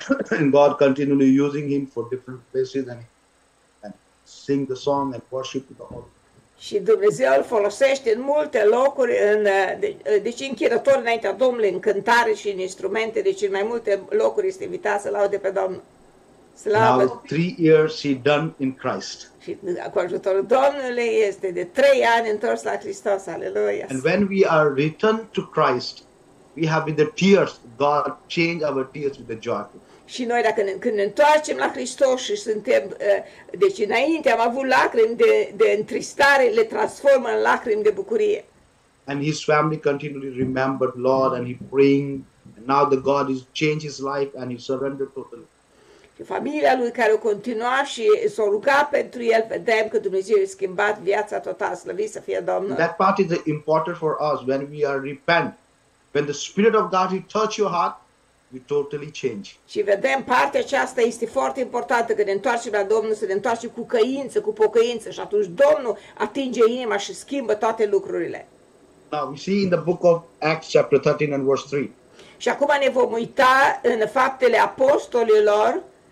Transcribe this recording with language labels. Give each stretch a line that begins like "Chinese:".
English: And God continually using him for different places and sing the song and worship the Lord.
Romanian: Și Dumnezeu îl folosește în multe locuri, deci închinător înaintea Domnului, în cântare și în instrumente, deci în mai multe locuri este invitat să laude pe Domnul. Slavă.
English: Now 3 years he done in Christ.
Romanian: Și cu ajutorul Domnului este de 3 ani întors la Hristos, aleluia.
English: And when we are returned to Christ, we have with the tears, God change our tears with the joy.
Romanian: Și noi dacă când ne întoarcem la Hristos și suntem, deci înainte am avut lacrimi de întristare, le transformă în lacrimi de bucurie.
English: And his family continually remembered Lord and he praying. And now the God has changed his life and he surrendered totally.
Romanian: Și familia lui care o continua și s-o ruga pentru el, vedem că Dumnezeu i-a schimbat viața totală, slăvit să fie Domnul.
English: That part is important for us when we are repent. When the Spirit of God he touch your heart, you totally change.
Romanian: Și vedem partea aceasta este foarte importantă, că ne întoarcem la Domnul, să ne întoarcem cu căință, cu pocăință, și atunci Domnul atinge inima și schimbă toate lucrurile.
English: Now we see in the book of Acts chapter 13 and verse 3.
Romanian: Și acum ne vom uita în Faptele Apostolilor.